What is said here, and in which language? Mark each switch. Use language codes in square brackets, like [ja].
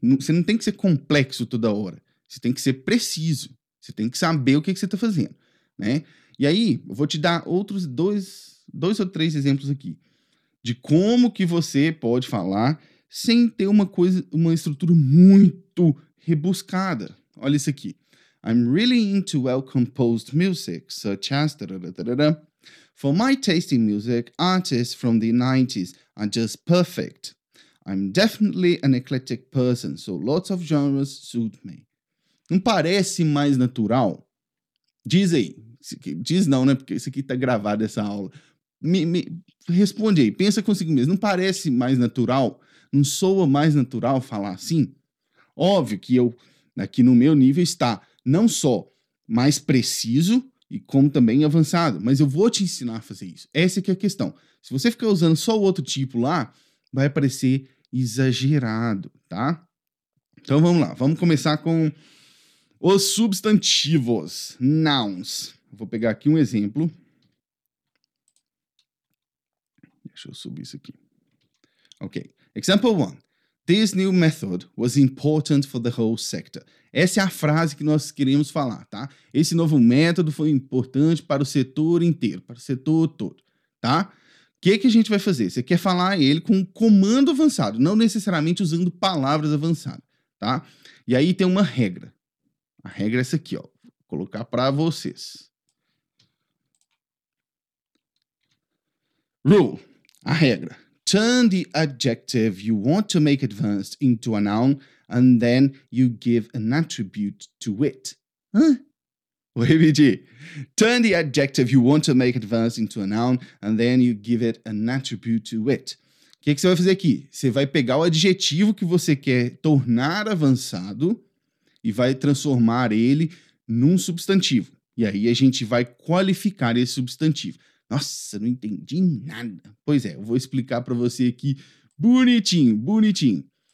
[pt] Você não tem que ser complexo toda hora. Você tem que ser preciso. Você tem que saber o que você está fazendo, né? E aí, eu vou te dar outros dois ou três exemplos aqui de como que você pode falar sem ter uma estrutura muito rebuscada. Olha isso aqui. [en] I'm really into well-composed music, such as... For my taste in music, artists from the 90s are just perfect. I'm definitely an eclectic person, so lots of genres suit me. [pt] Não parece mais natural? Diz aí. Diz não, né? Porque isso aqui tá gravado, essa aula. Responde aí. Pensa consigo mesmo. Não parece mais natural? Não soa mais natural falar assim? Óbvio que eu, aqui no meu nível, está não só mais preciso e como também avançado. Mas eu vou te ensinar a fazer isso. Essa que é a questão. Se você ficar usando só o outro tipo lá, vai parecer exagerado, tá? Então vamos lá. Vamos começar com... os substantivos, nouns. Vou pegar aqui um exemplo. Deixa eu subir isso aqui. Ok. [en] Example 1. This new method was important for the whole sector. [pt] Essa é a frase que nós queremos falar, tá? Esse novo método foi importante para o setor inteiro, para o setor todo, tá? O que, que a gente vai fazer? Você quer falar ele com um comando avançado, não necessariamente usando palavras avançadas, tá? E aí tem uma regra. A regra é essa aqui, ó. Vou colocar para vocês. Rule. A regra. [en] Turn the adjective you want to make advanced into a noun and then you give an attribute to it. [pt] Hã? Vou repetir. [en] Turn the adjective you want to make advanced into a noun and then you give it an attribute to it. [pt] O que, que você vai fazer aqui? Você vai pegar o adjetivo que você quer tornar avançado e vai transformar ele num substantivo. E aí a gente vai qualificar esse substantivo. Nossa, não entendi nada. Pois é, eu vou explicar para você aqui bonitinho, bonitinho.